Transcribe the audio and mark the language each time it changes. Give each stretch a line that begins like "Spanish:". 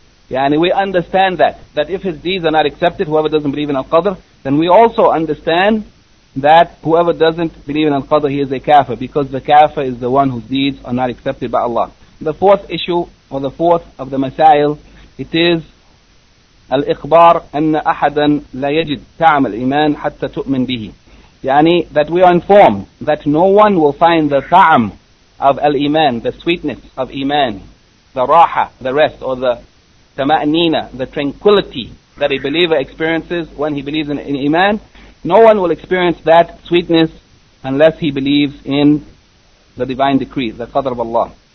English: Yani we understand that if his deeds are not accepted, whoever doesn't believe in al-qadr, then we also understand that whoever doesn't believe in al-qadr, he is a kafir, because the kafir is the one whose deeds are not accepted by Allah. The fourth issue, or the fourth of the masail, it is
Arabic: الإخبار أن أحدا لا يجد طعم الإيمان حتى تؤمن به.
English: يعني that we are informed that no one will find the ta'am of al-Iman, the sweetness of Iman, the raha, the rest, or the tama'nina, the tranquility that a believer experiences when he believes in Iman. No one will experience that sweetness unless he believes in the divine decree, the qadr of Allah.